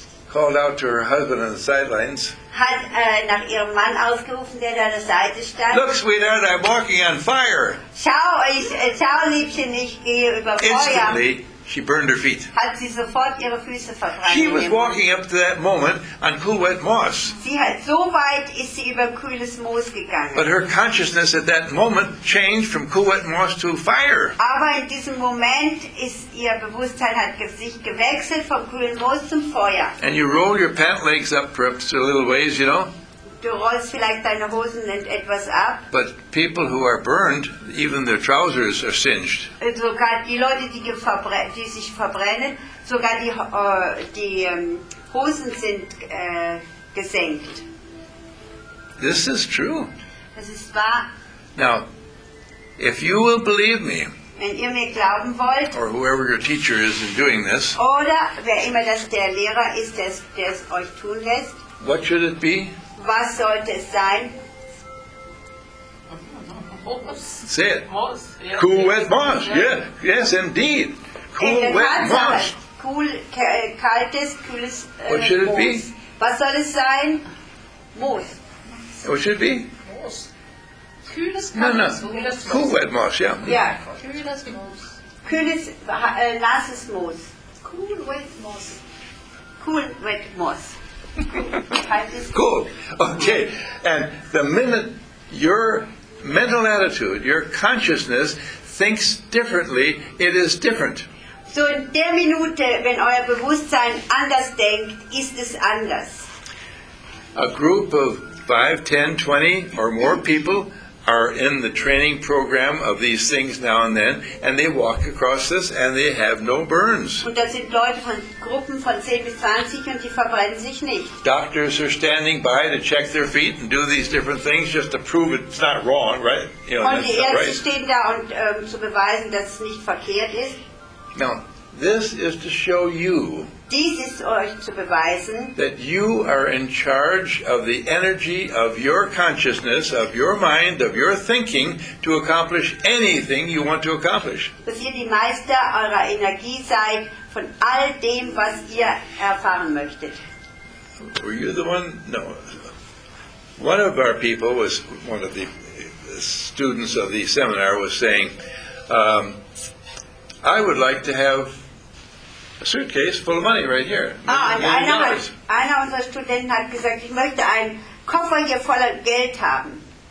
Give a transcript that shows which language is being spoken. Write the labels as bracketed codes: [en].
[en] Called out to her husband on the sidelines. [de] Hat nach ihrem Mann ausgerufen, der da an der Seite stand. [en] Look, sweetheart, I'm walking on fire. [de] Schau, Liebchen, ich gehe über Feuer. [en] Instantly, she burned her feet. [de] Hat sie sofort ihre Füße verbrannt. [en] She was walking up to that moment on cool, wet moss. [de] Sie hat so weit ist sie über kühles Moos gegangen. [en] But her consciousness at that moment changed from cool, wet moss to fire. [de] Aber in diesem Moment ist ihr Bewusstsein hat sich gewechselt vom kühlen Moos zum Feuer. [en] And you roll your pant legs up perhaps a little ways, you know. [de] Du rollst vielleicht deine Hosen etwas ab. [en] But people who are burned, even their trousers are singed. [de] Sogar die Leute, die sich verbrennen, sogar die Hosen sind gesenkt. [en] This is true. [de] Das ist wahr. [en] Now, if you will believe me, [de] wenn ihr mir glauben wollt, [en] or whoever your teacher is in doing this, [de] oder wer immer das der Lehrer ist, der es euch tun lässt, [en] what should it be? [de] Was sollte es sein? [en] Moss. Say it. Moss. Cool, wet moss. Yeah. Yes, indeed. Cool, wet moss. [de] Cool, kaltes, kühles Moos. [en] What should it be? [de] Was soll es sein? Moos. [en] What should it be? [de] Moos. Kühles, kaltes, kühles Moos. [en] Cool, wet moss, yeah. Yeah. [de] Kühles Moos. Kühles, nasses Moos. [en] Cool, wet moss. Cool, wet moss. Cool. Okay. And the minute your mental attitude, your consciousness thinks differently, it is different. [de] So in der Minute, wenn euer Bewusstsein anders denkt, ist es anders. [en] A group of 5, 10, 20 or more people are in the training program of these things now and then, and they walk across this and they have no burns. [de] Und da sind Leute von Gruppen von 10 bis 20 und die verbrennen sich nicht. [en] Doctors are standing by to check their feet and do these different things just to prove it's not wrong, right? You know, [de] und die Ärzte [en] right. [de] stehen da und zu beweisen, dass es nicht verkehrt ist. [en] Now, this is to show you [de] dies ist euch zu beweisen, [en] that you are in charge of the energy of your consciousness, of your mind, of your thinking to accomplish anything you want to accomplish. [de] Dass ihr die Meister eurer Energie seid von all dem, was ihr erfahren möchtet. [en] Were you the one? No. One of our people was one of the students of the seminar was saying, I would like to have a suitcase full of money right here. [de] Einer unserer Studenten hat gesagt, ich möchte einen Koffer hier voller Geld haben.